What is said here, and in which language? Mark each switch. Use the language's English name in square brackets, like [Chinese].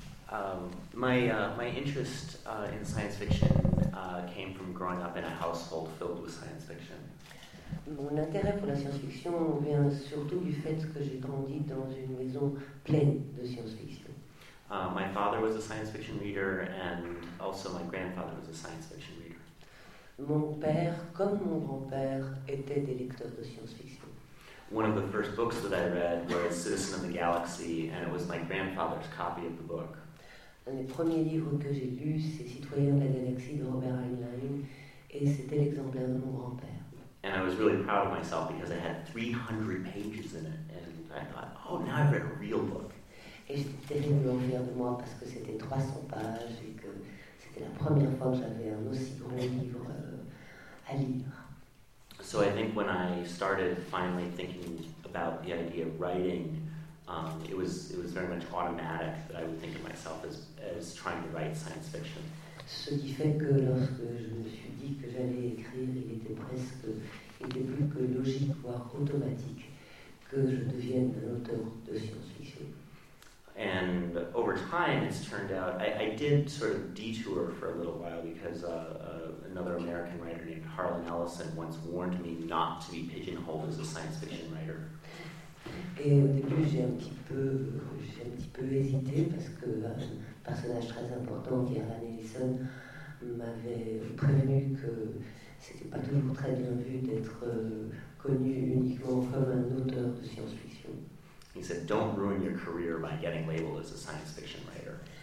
[English] My interest in science fiction came from growing up in a household filled with science fiction. [French] Mon intérêt pour la science-fiction vient surtout du fait que j'ai grandi dans une maison pleine de science-fiction. [English] My father was a science fiction reader, and also my grandfather was a science fiction reader. [French] Mon père, comme mon grand-père, était des lecteurs de science-fiction. [English] One of the first books that I read was Citizen of the Galaxy, and it was my grandfather's copy of the book. [French] Un des premiers livres que j'ai lu, c'est Citoyen de la Galaxie de Robert Heinlein, et c'était l'exemplaire de mon grand-père. [English] And I was really proud of myself because it had 300 pages in it, and I thought, oh, now I've read a real book. [French] Et j'étais terriblement fier de moi parce que c'était 300 pages et que c'était la première fois que j'avais un aussi grand livre à lire. [English] So I think when I started finally thinking about the idea of writing, it was very much automatic that I would think of myself as trying to write science fiction. [French] Ce qui fait que lorsque je me suis dit que j'allais écrire, il était plus que logique, voire automatique, que je devienne un auteur de science-fiction. [English] And over time, it's turned out, I did sort of detour for a little while because another American writer named Harlan Ellison once warned me not to be pigeonholed as a science fiction writer. [French] Et au début, j'ai un petit peu hésité parce que personnage très important qui est Harlan Ellison m'avait prévenu que c'était pas toujours très bien vu d'être connu uniquement comme un auteur de science-fiction. [English] He said, "Don't ruin your career by getting labeled as a science-fiction writer."